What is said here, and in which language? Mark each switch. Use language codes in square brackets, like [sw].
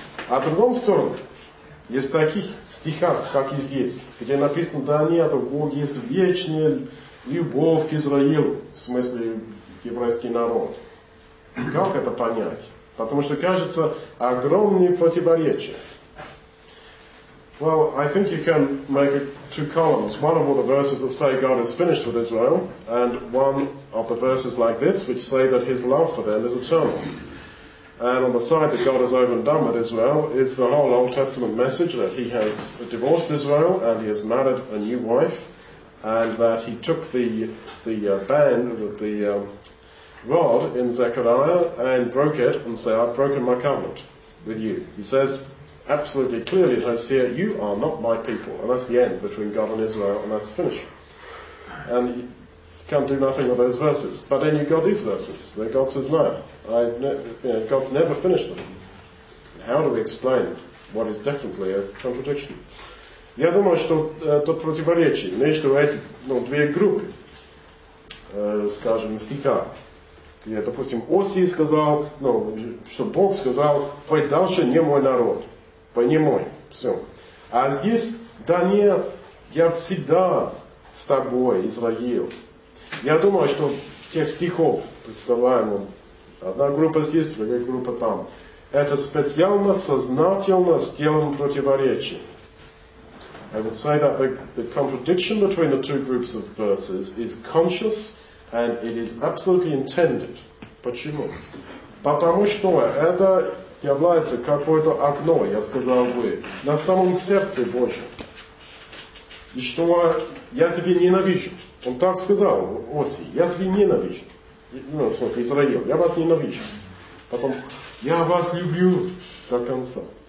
[ru] А в другом сторону, есть таких стихах, как и здесь, где написано, да нет, у Бога есть вечная любовь к Израилю, в смысле еврейский народ. Как это понять? Потому что кажется огромные противоречия. [en] Well, I think you can make two columns. One of all the verses that say God is finished with Israel, and one of the verses like this, which say that his love for them is eternal. And on the side that God has over and done with Israel is the whole Old Testament message that he has divorced Israel and he has married a new wife and that he took the rod in Zechariah and broke it and said, I've broken my covenant with you. He says, absolutely clearly that I say, you are not my people. And that's the end between God and Israel, and that's finished. And you can't do nothing with those verses. But then you've got these verses, where God says, no, God's never finished them. How do we explain what is definitely a contradiction? [ru] Ведомо, что то противоречие между эти, ну, две группы, скажем, стиха. Я, допустим, Оси сказал, ну, что Бог сказал, вы дальше не мой народ, вы не мой, все. А здесь, да нет, я всегда с тобой, Израил. Я думаю, что тех стихов, представляем, одна группа здесь, другая группа там, это специально, сознательно сделано противоречие. [en] I would say that the contradiction between the two groups of verses is conscious and it is absolutely intended. [ru] Почему? Потому что это является какое-то окно, я сказал бы, на самом сердце Божьем. И что я тебя ненавижу. Он так сказал, Оси, я тебя ненавижу. Ну, в смысле, Израил, я вас ненавижу. Потом, я вас люблю до конца.